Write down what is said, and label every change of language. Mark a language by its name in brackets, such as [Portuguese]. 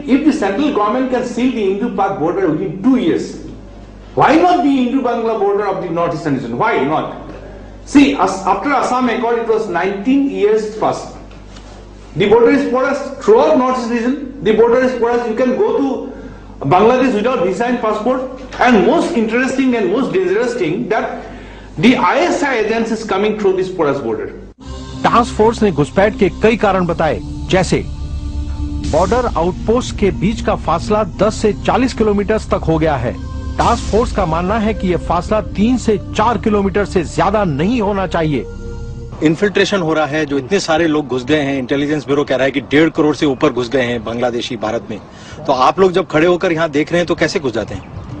[English] If the central government can seal the Indo Pak border in 2 years, why not the Indo Bangla border of the north eastern region? Why not? See, after Assam accord it was 19 years first. The border is for us throughout north east region. The border is for us, you can go to Bangladesh without visa and passport. And most interesting and most dangerous thing that the ISI agency is coming through this porous border. [Hindi] Task force ने घुसपैठ के कई कारण बताए, जैसे border outpost के बीच का फासला 10 से 40 किलोमीटर तक हो गया है। Task force का मानना है कि ये फासला 3 से 4 किलोमीटर से ज्यादा नहीं होना चाहिए। इन्फिल्ट्रेशन हो रहा है, जो इतने सारे लोग घुस गए हैं, इंटेलिजेंस ब्यूरो कह रहा है कि 1.5 करोड़ से ऊपर घुस गए हैं बांग्लादेशी भारत में, तो आप लोग जब खड़े होकर यहाँ देख रहे हैं तो कैसे घुस जाते हैं?